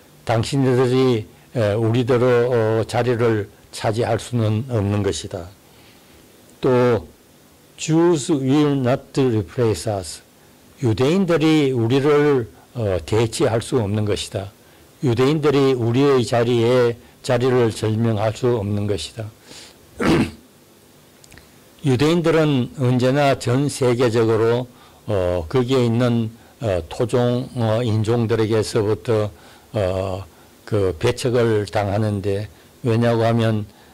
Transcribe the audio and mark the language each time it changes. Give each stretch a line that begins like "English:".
Korean: 당신들이 우리들의 자리를 차지할 수는 없는 것이다.
English: 또 Jews will not replace us.
Korean: 유대인들이 우리를 대체할 수 없는 것이다. 유대인들이 우리의 자리에 자리를 점령할 수 없는 것이다. 유대인들은 언제나 전 세계적으로 거기에 있는 토종 인종들에게서부터 그 배척을 당하는데 왜냐고 하면